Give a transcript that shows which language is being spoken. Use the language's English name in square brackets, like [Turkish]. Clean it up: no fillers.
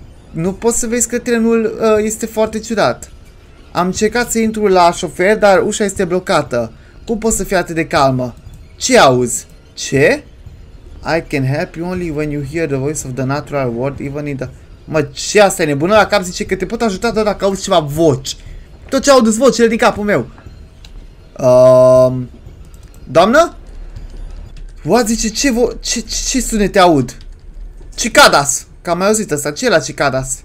[Romanian] Nu poți să vezi că trenul este foarte ciudat. Am încercat să intru la șofer, dar ușa este blocată. Cum poți să fii atât de calmă? Ce auzi? Ce? [English] I can help you only when you hear the voice of the natural world, even in the... [Romanian] Mă, ce asta e nebună? La cap zice că te pot ajuta doar dacă auzi ceva voci. Tot ce auzi vocile din capul meu. Doamnă? What, zice, ce sunete aud? Cicadas! Că am mai auzit ăsta, ce e la cicadas?